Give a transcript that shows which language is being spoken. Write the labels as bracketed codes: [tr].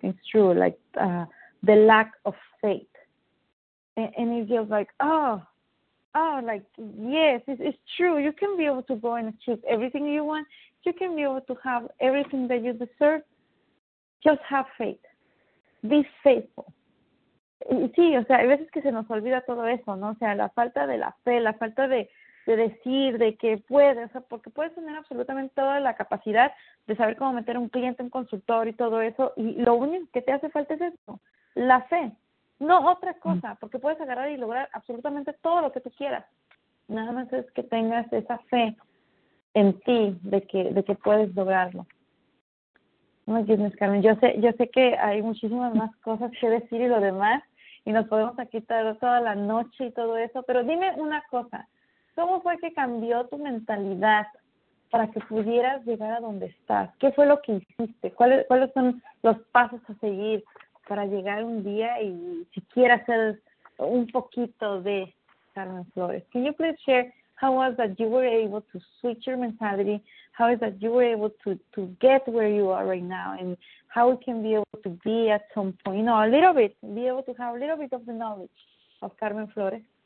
[en] It's true, like the lack of faith. And it feels like, oh, like, yes, it's true. You can be able to go and achieve everything you want. You can be able to have everything that you deserve. Just have faith. Be faithful. [es] Sí, o sea, hay veces que se nos olvida todo eso, ¿no? O sea, la falta de la fe, la falta de... de decir, de que puedes, o sea, porque puedes tener absolutamente toda la capacidad de saber cómo meter a un cliente, un consultor y todo eso, y lo único que te hace falta es eso, la fe, no otra cosa, porque puedes agarrar y lograr absolutamente todo lo que tú quieras, nada más es que tengas esa fe en ti de que puedes lograrlo. No, goodness, Carmen, yo sé que hay muchísimas más cosas que decir y lo demás, y nos podemos aquí estar toda la noche y todo eso, pero dime una cosa, ¿cómo fue que cambió tu mentalidad para que pudieras llegar a donde estás? ¿Qué fue lo que hiciste? ¿Cuáles son los pasos a seguir para llegar un día y siquiera ser un poquito de Carmen Flores? [en] Can you please share how was that you were able to switch your mentality? How is that you were able to get where you are right now? And how we can be able to be at some point, you know, a little bit, be able to have a little bit of the knowledge of Carmen Flores?